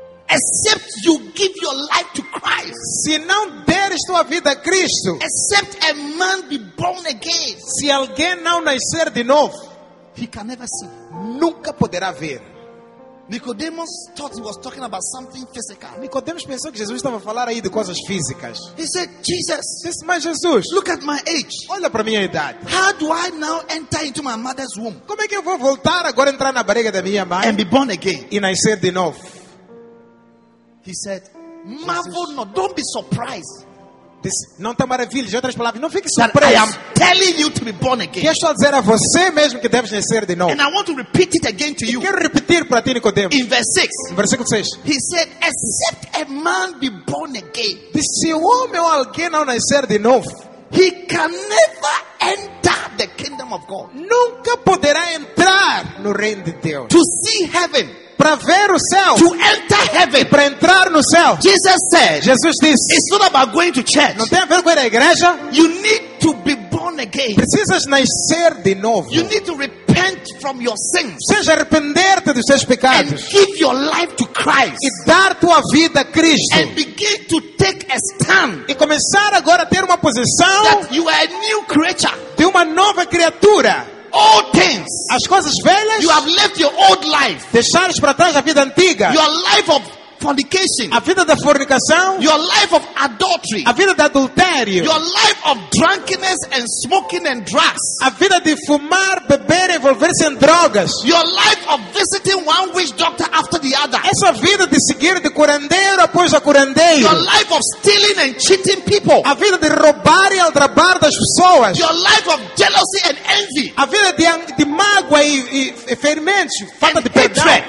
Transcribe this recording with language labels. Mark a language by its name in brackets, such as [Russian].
[English] Except you give your life to Christ. [Portuguese] Se não deres tua vida a Cristo. [English] Except a man be born again. [Portuguese] Se alguém não nascer de novo, [English] he can never see. [Portuguese] Nunca poderá ver. [English] Nicodemus thought he was talking about something physical. [Portuguese] Nicodemus pensou que Jesus estava a falar aí de coisas físicas. [English] He said, Jesus. [Portuguese] Disse, mas Jesus. [English] Look at my age. [Portuguese] Olha para minha idade. [English] How do I now enter into my mother's womb? [Portuguese] Como é que eu vou voltar agora entrar na barriga da minha mãe? [English] And be born again. [Portuguese] E nascer de novo. [English] He said, marvel not, don't be surprised. [Portuguese] This, não te maravilhe, outras palavras, não fique surpreso. [English] I am telling you to be born again. [Portuguese] Que estou a dizer a você mesmo que deves nascer de novo. [English] And I want to repeat it again to you. [Portuguese] Quero repetir para ti, Nicodemus. [English] In verse 6. [Portuguese] Versículo 6. [English] He said, except a man be born again. [Portuguese] Se o homem ou alguém não nascer de novo, [English] he can never enter the kingdom of God. [Portuguese] Nunca poderá entrar no reino de Deus. [English] To see heaven. [Portuguese] Para ver o céu. [English] To enter heaven. [Portuguese] Para entrar no céu. [English] Jesus said. [Portuguese] Jesus disse. [English] It's not about going to church. [Portuguese] Não tem a ver com ir à igreja. [English] You need to be born again. [Portuguese] Precisas nascer de novo. [English] You need to repent from your sins. [Portuguese] Precisas arrepender-te dos teus pecados. [English] And give your life to Christ. [Portuguese] E dar tua vida a Cristo. [English] And begin to take a stand. [Portuguese] E começar agora a ter uma posição. [English] That you are a new creature. [Portuguese] De uma nova criatura. [English] Old things. [Portuguese] As coisas velhas. [English] You have left your old life. [Portuguese] Deixares para trás a vida antiga. [English] Your life of fornication. [Portuguese] A vida da fornicação. [English] Your life of adultery. [Portuguese] A vida da adultério. [English] Your life of drunkenness and smoking and drugs. [Portuguese] A vida de fumar, beber e envolver-se em drogas. [English] Your life of visiting one witch doctor after the other. [Portuguese] Essa vida de seguir de curandeiro após a curandeiro. [English] Your life of stealing and cheating people. [Portuguese] A vida de roubar e aldrabar das pessoas. [English] Your life of jealousy and envy. [Portuguese] A vida de mágoa e ferimentos, falta de perdão.